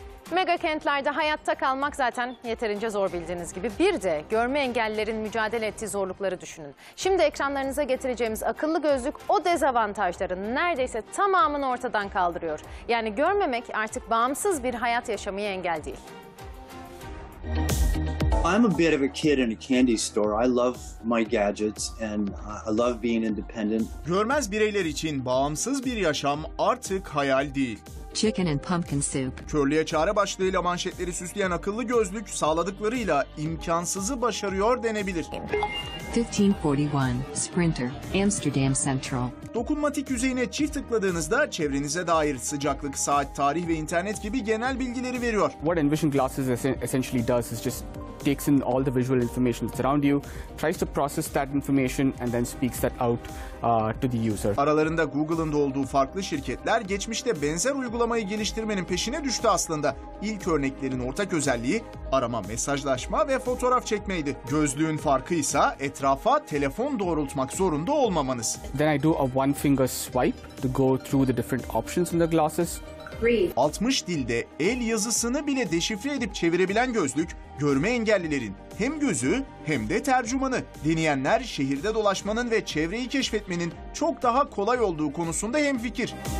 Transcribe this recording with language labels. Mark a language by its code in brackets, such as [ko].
[tr] Mega kentlerde hayatta kalmak zaten yeterince zor bildiğiniz gibi. Bir de görme engellilerin mücadele ettiği zorlukları düşünün. Şimdi ekranlarınıza getireceğimiz akıllı gözlük o dezavantajların neredeyse tamamını ortadan kaldırıyor. Yani görmemek artık bağımsız bir hayat yaşamaya engel değil. [en] I'm a bit of a kid in a candy store. I love my gadgets and I love being independent. [tr] Görmez bireyler için bağımsız bir yaşam artık hayal değil. [en] Chicken and pumpkin soup. [tr] Körlüğe çare başlığıyla manşetleri süsleyen akıllı gözlük sağladıklarıyla imkansızı başarıyor denebilir. [en] 1541 Sprinter, Amsterdam Central. [tr] Dokunmatik yüzeyine çift tıkladığınızda çevrenize dair sıcaklık, saat, tarih ve internet gibi genel bilgileri veriyor. [en] What Envision Glasses essentially does is just takes in all the visual information that's around you, tries to process that information and then speaks that out to the user. [tr] Aralarında Google'ın da olduğu farklı şirketler geçmişte benzer uygulamayı geliştirmenin peşine düştü aslında. İlk örneklerin ortak özelliği arama, mesajlaşma ve fotoğraf çekmeydi. Gözlüğün farkı ise etrafa telefon doğrultmak zorunda olmamanız. [en] Then I do a one finger swipe to go through the different options in the glasses. [tr] 60 dilde el yazısını bile deşifre edip çevirebilen gözlük, görme engellilerin hem gözü hem de tercümanı. Deneyenler şehirde dolaşmanın ve çevreyi keşfetmenin çok daha kolay olduğu konusunda hemfikir.